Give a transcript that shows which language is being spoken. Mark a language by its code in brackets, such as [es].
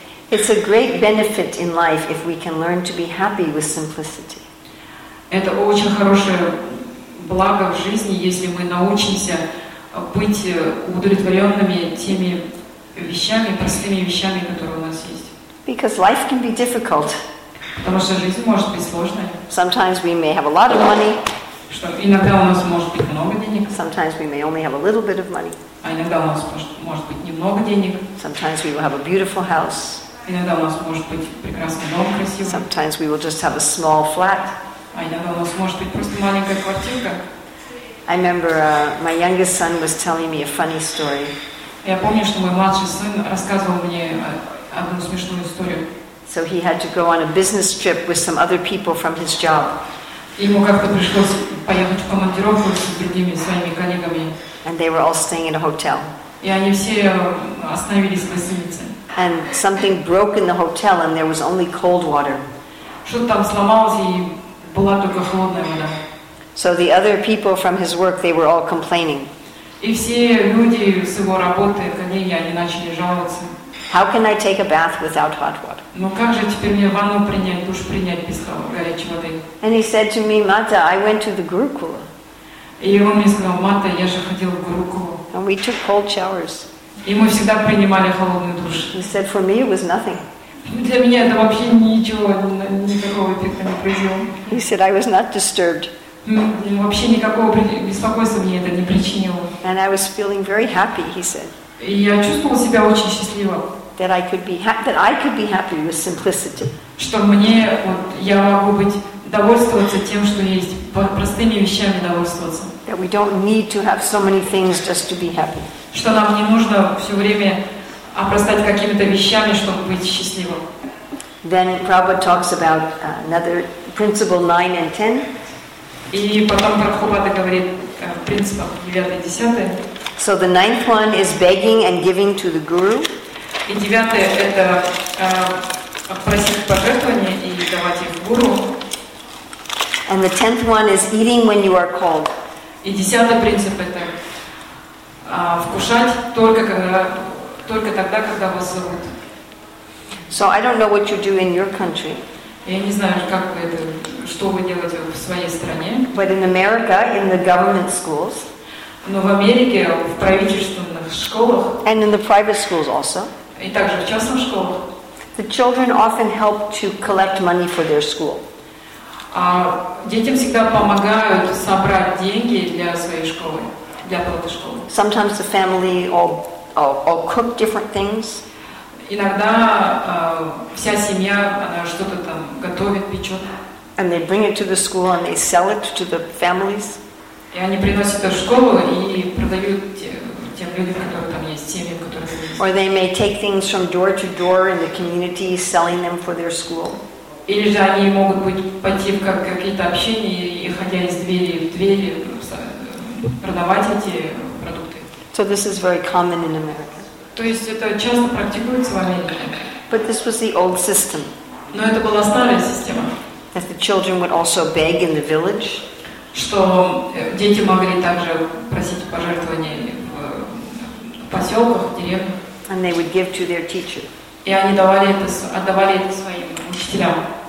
[en] It's a great benefit in life if we can learn to be happy with simplicity. [ru] Это очень хорошее благо в жизни, если мы научимся быть удовлетворенными теми вещами, простыми вещами, которые у нас есть. [en] Because life can be difficult. [ru] Потому что жизнь может быть сложной. [en] Sometimes we may have a lot of money. [ru] Что иногда у нас может быть много денег. [en] Sometimes we may only have a little bit of money. [ru] А иногда у нас может быть немного денег. [en] Sometimes we will have a beautiful house. [ru] Иногда у нас может быть прекрасный дом, красивый. [en] Sometimes we will just have a small flat. [ru] А иногда у нас может быть просто маленькая квартирка. [en] I remember my youngest son was telling me a funny story. [ru] Я помню, что мой младший сын рассказывал мне одну смешную историю. [en] So he had to go on a business trip with some other people from his job. [ru] Ему как-то пришлось поехать в командировку с другими своими коллегами. [en] And they were all staying in a hotel. [ru] И они все остановились в гостинице. [en] And something broke in the hotel, and there was only cold water. [ru] Что-то там сломалось, и была только холодная вода. [en] So the other people from his work, they were all complaining. [ru] И все люди с его работы, коллеги, они начали жаловаться. [en] How can I take a bath without hot water? [ru] Ну как же теперь мне ванну принять, душ принять без горячей воды? [en] And he said to me, Mata, I went to the Gurukula. [ru] И он мне сказал, Мата, я же ходил в Гурукулу. [en] And we took cold showers. [ru] И мы всегда принимали холодный душ. [en] He said, for me it was nothing. [ru] Для меня это вообще ничего, никакого эффекта не произвело. [en] He said, I was not disturbed. [ru] Вообще никакого беспокойства мне это не причинило. [en] And I was feeling very happy, he said. [ru] И я чувствовала себя очень счастливо. [en] That I could be happy with simplicity. [ru] Что мне вот я могу быть довольствоваться тем, что есть, простыми вещами довольствоваться. [en] That we don't need to have so many things just to be happy. [ru] Что нам не нужно все время обрастать какими-то вещами, чтобы быть счастливым. [en] Then Prabhupada talks about another principle 9 and 10. [ru] И потом Прабхупада говорит принципам 9 и 10. [en] So the ninth one is begging and giving to the guru. [ru] И девятое это просить пожертвования и давать их гуру. [en] And the tenth one is eating when you are called. [ru] И десятый принцип это вкушать только тогда, когда вас зовут. [en] So I don't know what you do in your country. [ru] Я не знаю, как это, что вы делаете в своей стране. [en] But in America, in the government schools. [ru] Но в Америке в правительственных школах. [en] And in the private schools also. [ru] И также в частных школах. [en] The children often help to collect money for their school. [ru] Детям всегда помогают собрать деньги для своей школы, для платы школы. [en] Sometimes the family all cook different things. [ru] Иногда вся семья она что-то там готовит, печет. [en] And they bring it to the school and they sell it to the families. [ru] И они приносят это в школу и продают тем людям, которые там есть, семьям, которые там есть. [en] Or they may take things from door to door in the community, selling them for their school. [ru] Или же они могут быть пойти в какие-то общения и ходя из двери в двери продавать эти продукты. [en] So this is very common in America. [ru] То есть это часто практикуется в Америке. [en] But this was the old system. [ru] Но это была старая система. [en] That the children would also beg in the village. [ru] Что дети могли также просить пожертвования в поселках, в деревнях. [en] And they would give to their teacher. [ru] И они отдавали это своим учителям.